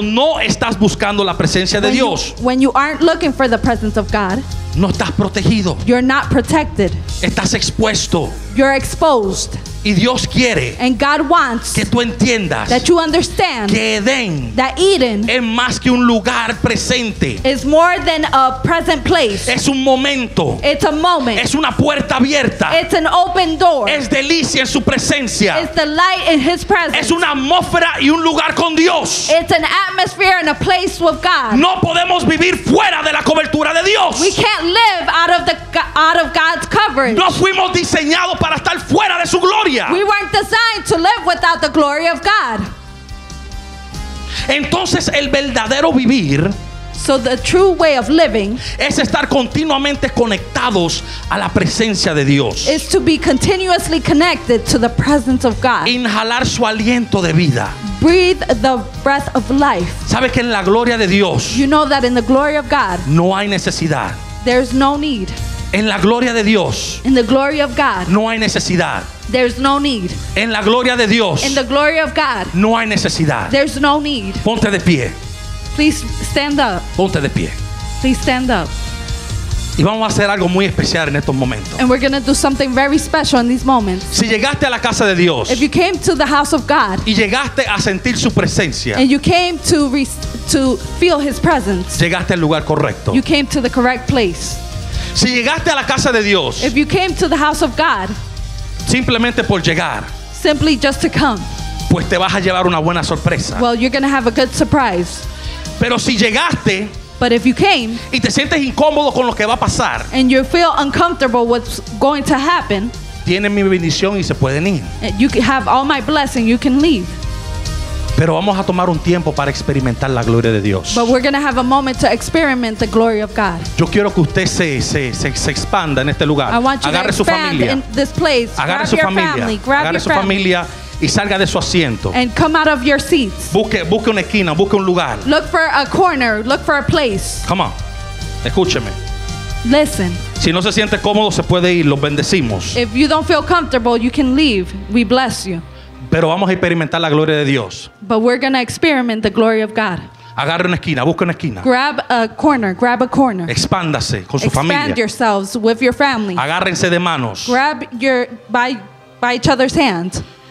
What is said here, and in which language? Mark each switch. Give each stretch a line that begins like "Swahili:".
Spanish: Cuando no estás buscando la presencia de Dios.
English: When you aren't looking for the presence of God.
Spanish: No estás protegido.
English: You're not protected.
Spanish: Estás expuesto.
English: You're exposed.
Spanish: Y Dios quiere.
English: And God wants.
Spanish: Que tú entiendas.
English: That you understand.
Spanish: Que Edén.
English: That Eden.
Spanish: Es más que un lugar presente.
English: Is more than a present place.
Spanish: Es un momento.
English: It's a moment.
Spanish: Es una puerta abierta.
English: It's an open door.
Spanish: Es delicia en su presencia.
English: It's delight in his presence.
Spanish: Es una atmósfera y un lugar con Dios.
English: It's an atmosphere and a place with God.
Spanish: No podemos vivir fuera de la cobertura de Dios.
English: We can't live out of God's covering.
Spanish: No fuimos diseñados para estar fuera de su gloria.
English: We weren't designed to live without the glory of God.
Spanish: Entonces el verdadero vivir,
English: so the true way of living,
Spanish: es estar continuamente conectados a la presencia de Dios.
English: Is to be continuously connected to the presence of God.
Spanish: Inhalar su aliento de vida.
English: Breathe the breath of life.
Spanish: ¿Sabes que en la gloria de Dios,
English: you know that in the glory of God,
Spanish: no hay necesidad.
English: There's no need.
Spanish: En la gloria de Dios,
English: in the glory of God,
Spanish: no hay necesidad.
English: There's no need.
Spanish: En la gloria de Dios,
English: in the glory of God,
Spanish: no hay necesidad.
English: There's no need.
Spanish: Ponte de pie.
English: Please stand up.
Spanish: Ponte de pie.
English: Please stand up.
Spanish: Y vamos a hacer algo muy especial en estos momentos.
English: And we're gonna do something very special in these moments.
Spanish: Si llegaste a la casa de Dios,
English: if you came to the house of God,
Spanish: y llegaste a sentir su presencia,
English: and you came to feel his presence,
Spanish: llegaste al lugar correcto.
English: You came to the correct place.
Spanish: Si llegaste a la casa de Dios,
English: if you came to the house of God,
Spanish: simplemente por llegar,
English: simply just to come,
Spanish: pues te vas a llevar una buena sorpresa.
English: Well, you're gonna have a good surprise.
Spanish: Pero si llegaste,
English: but if you came,
Spanish: y te sientes incómodo con lo que va a pasar,
English: and you feel uncomfortable with what's going to happen,
Spanish: tienen mi bendición y se pueden ir.
English: You can have all my blessing, you can leave.
Spanish: Pero vamos a tomar un tiempo para experimentar la gloria de Dios.
English: But we're gonna have a moment to experiment the glory of God.
Spanish: Yo quiero que usted se expanda en este lugar.
English: I want you
Spanish: agarre
English: to expand
Spanish: su familia.
English: In this place.
Spanish: Agarre
English: grab
Spanish: su
English: your
Spanish: familia.
English: Family. Grab
Spanish: agarre
English: your
Spanish: su familia y salga de su asiento.
English: And come out of your seats.
Spanish: Busque una esquina, busque un lugar.
English: Look for a corner, look for a place. Come on.
Spanish: Escúcheme.
English: Listen.
Spanish: Si no se siente cómodo, se puede ir, los bendecimos.
English: If you don't feel comfortable, you can leave. We bless you.
Spanish: Pero vamos a experimentar la gloria de Dios.
English: But we're going to experiment the glory of God.
Spanish: Agarre una esquina, busque una esquina.
English: Grab a corner, grab a corner.
Spanish: Expándase con
English: expand
Spanish: su familia.
English: Expand yourselves with your family.
Spanish: Agárrense de manos.
English: Grab your by each other's hands.